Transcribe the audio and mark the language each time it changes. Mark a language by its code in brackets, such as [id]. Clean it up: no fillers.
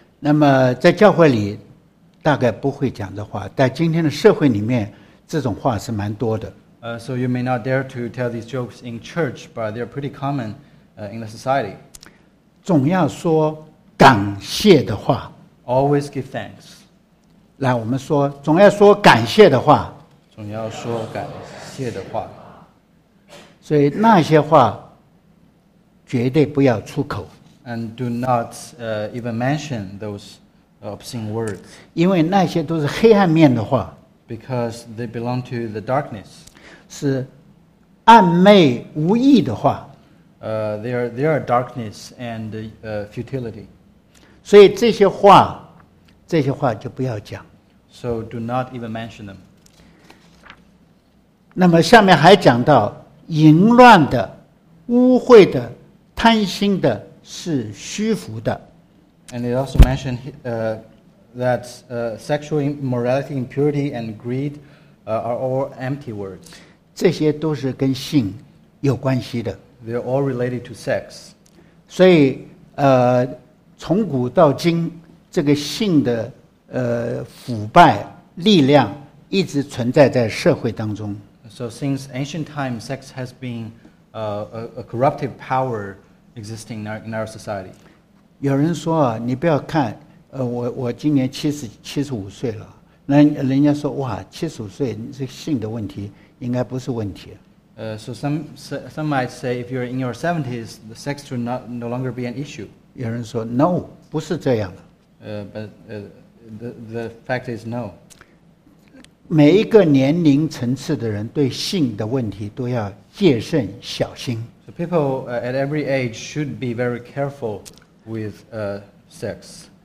[zh] 那么在教会里大概不会讲的话，在今天的社会里面，这种话是蛮多的。 [en] So you may not dare to tell these jokes in church, but they're pretty common in the society. [zh] 总要说感谢的话。 [en] Always give thanks. [zh] 来，我们说，总要说感谢的话。总要说感谢的话。所以那些话绝对不要出口。 [en] And do not even mention those obscene words. [zh] 因为那些都是黑暗面的话。 [en] Because they belong to the darkness. [zh] 是暗昧无益的话。 [en] They are darkness and futility. [zh] 所以这些话就不要讲。 [en] So do not even mention them. [zh] 那么下面还讲到淫乱的、污秽的、贪心的，是虚浮的。 [en] And it also mentioned that sexual immorality, impurity, and greed are all empty words. [zh] 这些都是跟性有关系的。 [en] They're all related to sex. [zh] 所以从古到今，这个性的腐败力量一直存在在社会当中。 [en] So since ancient times, sex has been a corruptive power existing in our society. [zh] 有人说啊，你不要看，我今年七十五岁了。那人家说哇，75岁，这性的问题应该不是问题。 [en] So some might say if you're in your 70s, the sex should no longer be an issue. [zh] 有人说 no， 不是这样的。 [en] The fact is no. [zh] 每一个年龄层次的人对性的问题都要戒慎小心。 [en] So people at every age should be very careful with sex.